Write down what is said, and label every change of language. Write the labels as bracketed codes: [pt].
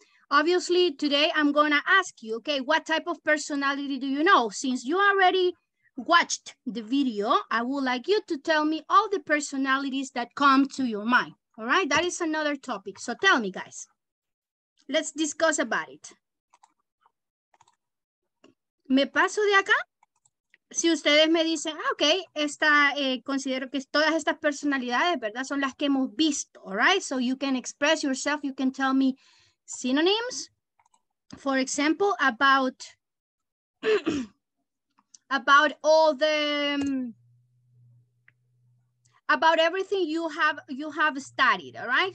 [en] Obviously today I'm gonna ask you, okay, what type of personality do you know? Since you already watched the video, I would like you to tell me all the personalities that come to your mind. All right, that is another topic. So tell me, guys, let's discuss about it. [es] Me paso de acá. Si ustedes me dicen, ah, okay, esta considero que todas estas personalidades, verdad, son las que hemos visto. [en] All right, so you can express yourself, you can tell me synonyms, for example, about. About all the, about everything you have studied, all right?